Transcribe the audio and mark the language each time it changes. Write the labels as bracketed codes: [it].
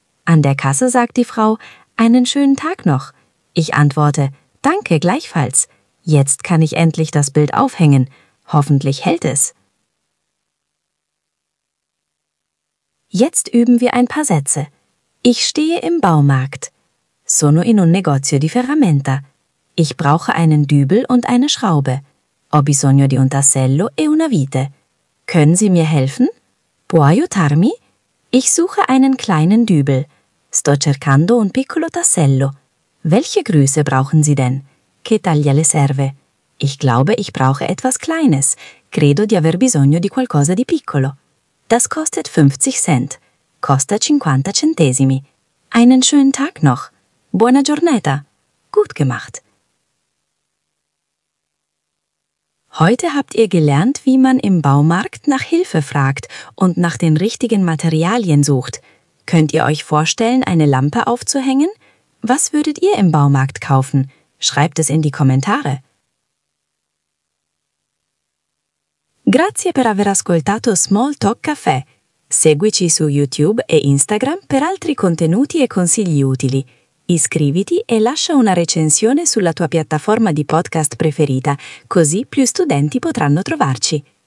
[de] An der Kasse sagt die Frau: Einen schönen Tag noch. Ich antworte: Danke, gleichfalls. Jetzt kann ich endlich das Bild aufhängen. Hoffentlich hält es. Jetzt üben wir ein paar Sätze. Ich stehe im Baumarkt. [it] Sono in un negozio di ferramenta. [de] Ich brauche einen Dübel und eine Schraube. [it] Ho bisogno di un tassello e una vite. [de] Können Sie mir helfen? [it] Può aiutarmi? [de] Ich suche einen kleinen Dübel. [it] Sto cercando un piccolo tassello. [de] Welche Größe brauchen Sie denn? [it] Che taglia le serve? [de] Ich glaube, ich brauche etwas Kleines. [it] Credo di aver bisogno di qualcosa di piccolo. [de] Das kostet 50 Cent. [it] Costa 50 centesimi. [de] Einen schönen Tag noch. [it] Buona giornata. [de] Gut gemacht. Heute habt ihr gelernt, wie man im Baumarkt nach Hilfe fragt und nach den richtigen Materialien sucht. Könnt ihr euch vorstellen, eine Lampe aufzuhängen? Was würdet ihr im Baumarkt kaufen? Schreibt es in die Kommentare. [it] Grazie per aver ascoltato Small Talk Café. Seguici su YouTube e Instagram per altri contenuti e consigli utili. Iscriviti e lascia una recensione sulla tua piattaforma di podcast preferita, così più studenti potranno trovarci.